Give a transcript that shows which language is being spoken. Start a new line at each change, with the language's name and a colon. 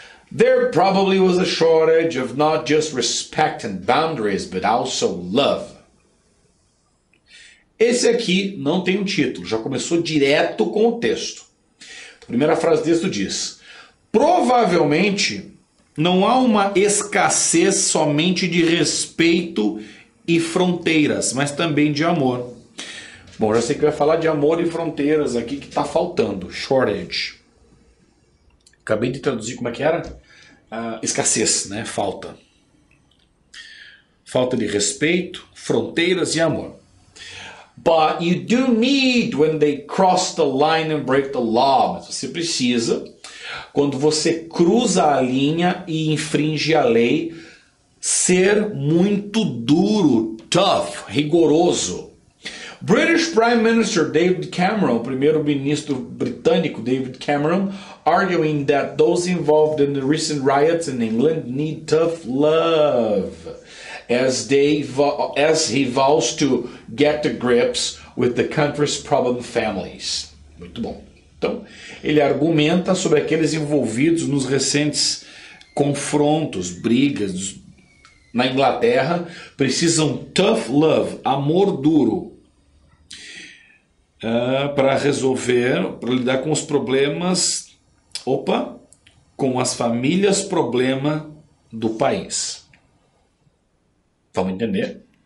English: There probably was a shortage of not just respect and boundaries, but also love.
Portuguese: Esse aqui não tem um título, já começou direto com o texto. A primeira frase do texto diz, provavelmente não há uma escassez somente de respeito e fronteiras, mas também de amor. Bom, já sei que vai falar de amor e fronteiras aqui que está faltando, shortage. Acabei de traduzir como é que era? Escassez, né? Falta. Falta de respeito, fronteiras e amor.
English: But you do need when they cross the line and break the law.
Portuguese: Mas você precisa quando você cruza a linha e infringe a lei, ser muito duro, tough, rigoroso.
English: British Prime Minister David Cameron,
Portuguese: primeiro-ministro britânico David Cameron,
English: arguing that those involved in the recent riots in England need tough love as he vows to get to grips with the country's problem families.
Portuguese: Muito bom. Então, ele argumenta sobre aqueles envolvidos nos recentes confrontos, brigas na Inglaterra, precisam
English: tough love,
Portuguese: amor duro. Para resolver, para lidar com os problemas, opa, com as famílias problema do país. Vamos entender?